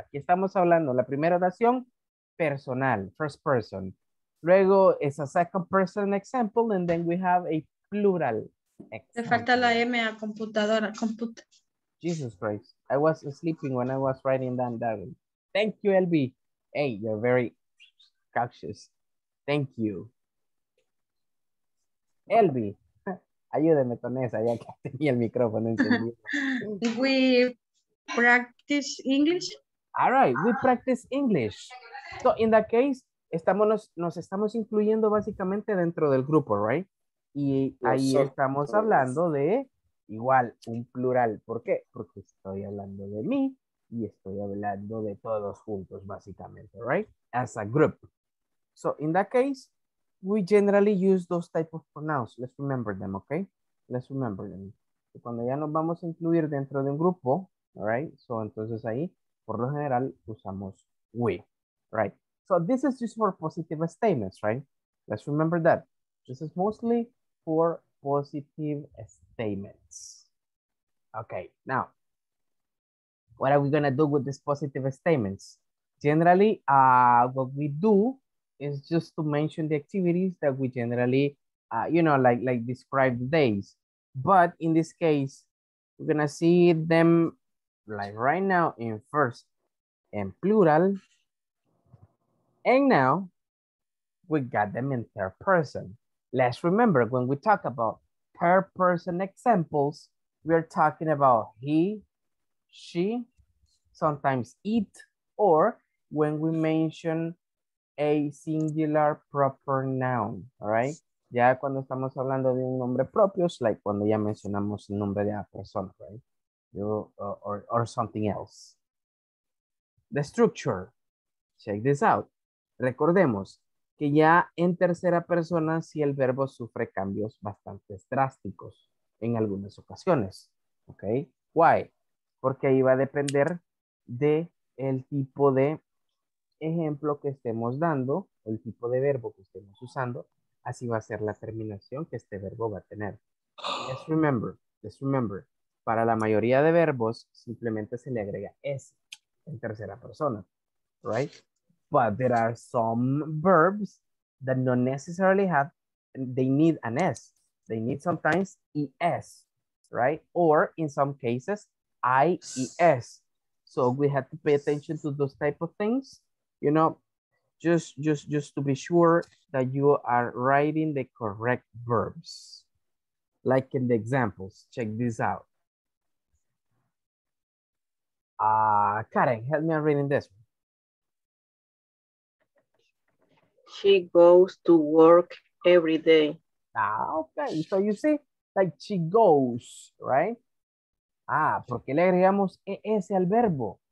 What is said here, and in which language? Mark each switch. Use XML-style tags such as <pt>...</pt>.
<es>Aquí estamos hablando, la primera oración, personal,</es> <en>first person. Luego, it's a second person example, and then we have a plural.</en> <es>Le falta la M a computadora, computa.</es> <en>Jesus Christ, I was sleeping when I was writing that down. Thank you, LB. Hey, you're very cautious. Thank you.</en> <es>Elvi, ayúdeme con esa, ya que tenía el micrófono encendido.</es> <en>We practice English. All right, we practice English. So in that case,</en> <es>nos estamos incluyendo básicamente dentro del grupo,</es> <en>right?</en> <es>Y ahí estamos hablando de igual, un plural. ¿Por qué? Porque estoy hablando de mí. Y estoy hablando de todos juntos, básicamente, right?</es> <en>As a group. So, in that case, we generally use those type of pronouns. Let's remember them, okay? Let's remember them.</en> <es>So, cuando ya nos vamos a incluir dentro de un grupo, right? So, entonces ahí, por lo general, usamos we, right?</es> <en>So, this is just for positive statements, right? Let's remember that. This is mostly for positive statements. Okay, now. What are we going to do with these positive statements? Generally, what we do is just to mention the activities that we generally, you know, like describe the days. But in this case, we're going to see them like right now in first and plural. And now we got them in third person. Let's remember when we talk about third person examples, we are talking about he, she, sometimes it, or when we mention a singular proper noun, all right?</en> <es>Ya cuando estamos hablando de un nombre propio, es like cuando ya mencionamos el nombre de la persona, right?</es> <en>Or something else. The structure, check this out.</en> <es>Recordemos que ya en tercera persona sí el verbo sufre cambios bastante drásticos en algunas ocasiones, okay? Why? Porque ahí va a depender de el tipo de ejemplo que estemos dando, el tipo de verbo que estemos usando, así va a ser la terminación que este verbo va a tener.</es> <en>Just remember,</en> <es>para la mayoría de verbos, simplemente se le agrega S en tercera persona, right?</es> <en>But there are some verbs that not necessarily have, they need an S. They need sometimes ES, right? Or in some cases, IES. So we have to pay attention to those type of things, you know, just to be sure that you are writing the correct verbs. Like in the examples, check this out. Karen, help me out reading this one. She goes to work every day. Ah, okay, so you see, like she goes, right?</en> <es>Ah, ¿por qué le agregamos ES al verbo?</es>